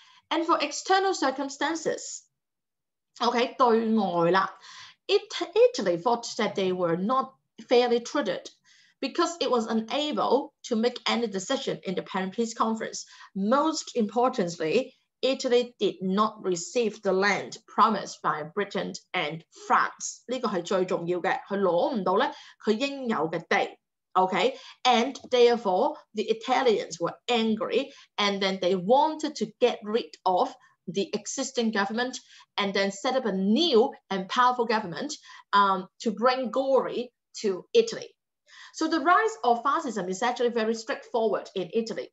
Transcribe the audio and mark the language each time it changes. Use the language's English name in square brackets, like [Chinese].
[English] And for external circumstances, okay, [Chinese] 對外啦, [English] Italy thought that they were not fairly treated because it was unable to make any decision in the Paris Peace Conference. Most importantly, Italy did not receive the land promised by Britain and France. [Chinese] 这个是最重要的,他拿不到他应有的地, okay? [English] And therefore, the Italians were angry and then they wanted to get rid of the existing government and then set up a new and powerful government to bring glory to Italy. So the rise of fascism is actually very straightforward in Italy.